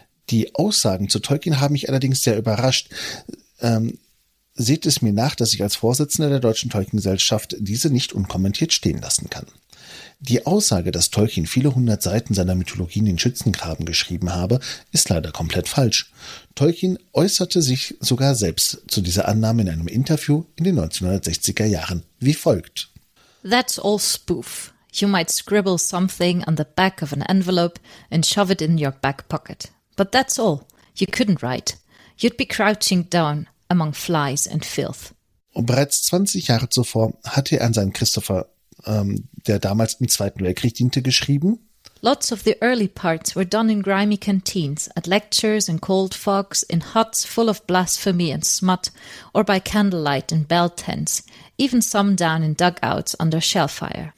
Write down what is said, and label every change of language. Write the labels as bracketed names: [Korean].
[German] Die Aussagen zu Tolkien haben mich allerdings sehr überrascht. Seht es mir nach, dass ich als Vorsitzender der Deutschen Tolkien-Gesellschaft diese nicht unkommentiert stehen lassen kann. Die Aussage, dass Tolkien viele hundert Seiten seiner Mythologie in den Schützengraben geschrieben habe, ist leider komplett falsch. Tolkien äußerte sich sogar selbst zu dieser Annahme in einem Interview in den 1960er Jahren wie folgt. [English] That's all spoof. You might scribble something on the back of an envelope and shove it in your back pocket. But that's all. You couldn't write. You'd be crouching down among flies and filth. [German] Und bereits 20 Jahre zuvor hatte er an seinen Christopher der damals im Zweiten Weltkrieg diente, geschrieben. [English] Lots of the early parts were done in grimy canteens, at lectures and cold fogs, in huts full of blasphemy and smut, or by candlelight in bell tents, even some down in dugouts under shellfire.